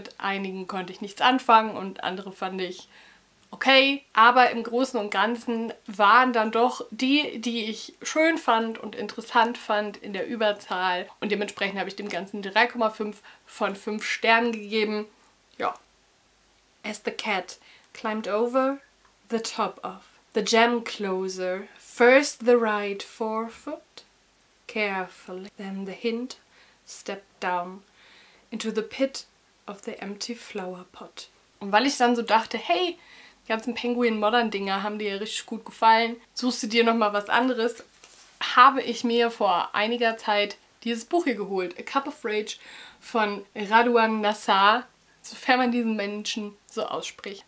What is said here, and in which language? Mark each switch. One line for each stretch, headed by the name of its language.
German: Mit einigen konnte ich nichts anfangen und andere fand ich okay. Aber im Großen und Ganzen waren dann doch die, die ich schön fand und interessant fand, in der Überzahl. Und dementsprechend habe ich dem Ganzen 3,5 von 5 Sternen gegeben. Ja.
English: As the cat climbed over the top of the gem closer, first the right forefoot carefully, then the hind stepped down into the pit of the empty flower pot.
German: Und weil ich dann so dachte, hey, die ganzen Penguin-Modern-Dinger haben dir ja richtig gut gefallen, suchst du dir nochmal was anderes, habe ich mir vor einiger Zeit dieses Buch hier geholt, A Cup of Rage von Radwan Nassar, sofern man diesen Menschen so ausspricht.